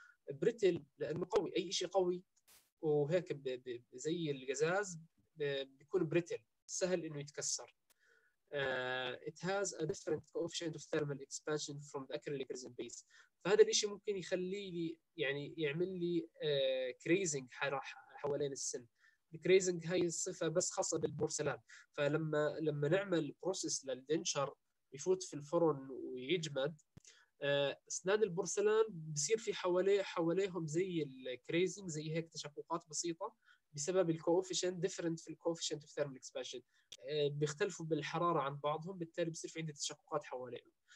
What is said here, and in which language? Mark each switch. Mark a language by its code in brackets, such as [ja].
[ar] بريتل لانه قوي، اي شيء قوي وهيك زي القزاز بيكون بريتل سهل انه يتكسر. [en] It has a different coefficient of thermal expansion from the acrylic resin base. [ar] فهذا الشيء ممكن يخلي لي يعني يعمل لي كريزنج حوالين السن. الكريزنج هاي الصفه بس خاصه بالبورسلان، فلما نعمل بروسيس للدنشر يفوت في الفرن ويجمد أسنان البورسلان بصير في حواليهم زي الكريزنج زي هيك تشققات بسيطة بسبب الكوفيشنت ديفرنت في الكوفيشنت في ثيرمال اكسبانشن، بيختلفوا بالحرارة عن بعضهم بالتالي بصير في عندي تشققات حواليهم.